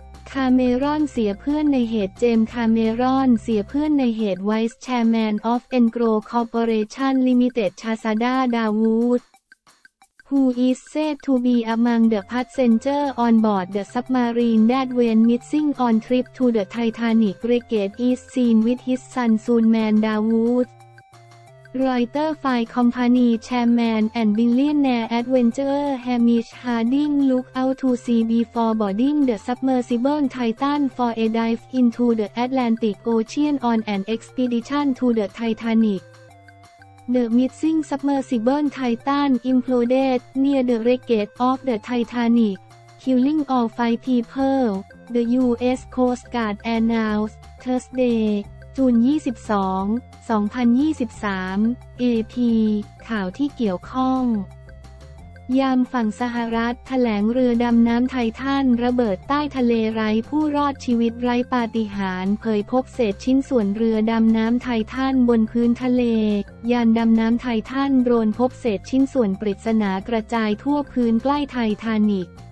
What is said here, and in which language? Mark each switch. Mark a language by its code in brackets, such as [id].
[th] คาเมรอนเสียเพื่อนในเหตุเจมส์คาเมรอนเสียเพื่อนในเหตุไวส์แชร์แมนออฟเอ็นโกรคอร์ปอเรชั่นลิมิเต็ดชาซาด้าดาวูด [en] Who is said to be among the passenger on board the submarine that went missing on trip to the Titanic wreckage is seen with his son Sun Man Dawood. Reuters Fire Company Chairman and Billionaire Adventurer Hamish Harding looked out to sea before boarding the submersible Titan for a dive into the Atlantic Ocean on an expedition to the Titanic. The missing submersible Titan imploded near the wreckage of the Titanic, killing all five people, the U.S. Coast Guard announced Thursday, June 22, 2023, AP, [th] ข่าวที่เกี่ยวข้องยามฝั่งสหรัฐแถลงเรือดำน้ำไททันระเบิดใต้ทะเลไร้ผู้รอดชีวิตไร้ปาฏิหาริย์เผยพบเศษชิ้นส่วนเรือดำน้ำไททันบนพื้นทะเลยานดำน้ำไททันโดนพบเศษชิ้นส่วนปริศนากระจายทั่วพื้นใกล้ไททานิค